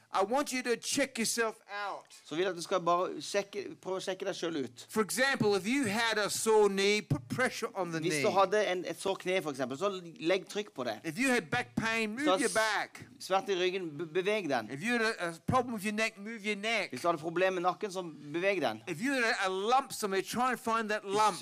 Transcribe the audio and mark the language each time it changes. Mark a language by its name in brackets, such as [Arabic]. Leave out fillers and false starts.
[English] I want you to check yourself out. [Norwegian] Så vil jeg at du skal bare prøve å sjekke deg selv ut. [English] For example, if you had a sore knee, put pressure on the knee. [Norwegian] Hvis du hadde et sår kne, for eksempel, så legg trykk på det. [English] If you had back pain, move your back. [Norwegian] Smerte I ryggen, beveg den. [English] If you had a problem with your neck, move your neck. [Norwegian] Hvis du hadde problem med nakken, så beveg den. [English] If you had a lump somewhere, try and find that lump.